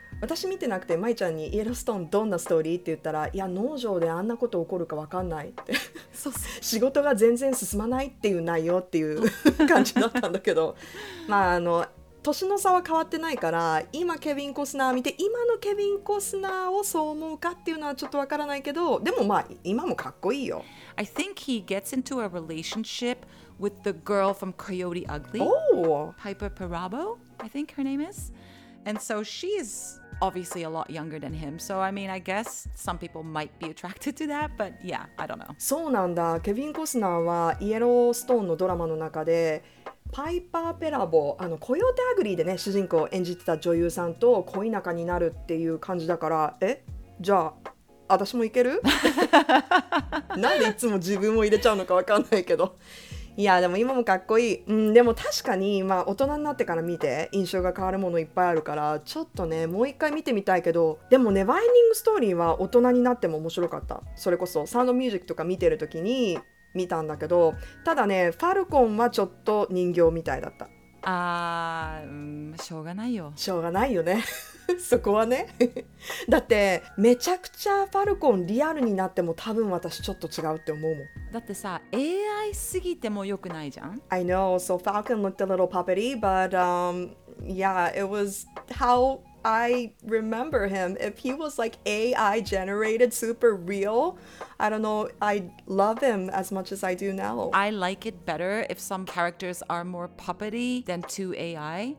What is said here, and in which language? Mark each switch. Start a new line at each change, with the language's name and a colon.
Japanese: 私見てなくて、まいちゃんにイエローストーンどんなストーリーって言ったら、いや農場であんなこと起こるか分かんないってそうそう仕事が全然進まないっていう内容っていう感じだったんだけどまああの年の差は変わってないから、今ケビン・コスナー見て今のケビン・コスナーをそう思うかっていうのはちょっと分からないけど、でもまあ今もかっこいいよ。
English: I think he gets into a relationship with the girl from Coyote Ugly、 oh. Piper Perabo I think her name isAnd so she is obviously a lot younger than him. So I mean, I guess some people might be attracted to that, but yeah, I don't know.
Japanese: そうなんだ。ケビン・コスナーはイエローストーンのドラマの中でパイパー・ペラボ、あのコヨーテ・アグリーでね、主人公を演じてた女優さんと恋仲になるっていう感じだから、え？じゃあ私もいける？なんでいつも自分を入れちゃうのかわかんないけど。いやでも今もかっこいい、うん、でも確かに、まあ、大人になってから見て印象が変わるものいっぱいあるからちょっとねもう一回見てみたいけど、でもね、ワインディングストーリーは大人になっても面白かった。それこそサウンドミュージックとか見てる時に見たんだけど、ただねファルコンはちょっと人形みたいだった。あー、うん、しょうがないよ。しょうがないよねそこはねだってめちゃくちゃファルコンリアルになっても多分私ちょっと違うって思うもん。だってさ AI すぎても良くないじゃん。
English: I know, so Falcon looked a little puppety, but yeah, it was how I remember him. If he was like AI generated, super real, I don't know, I'd love him as much as I do now. I like it better if some characters are more puppety than 2AI.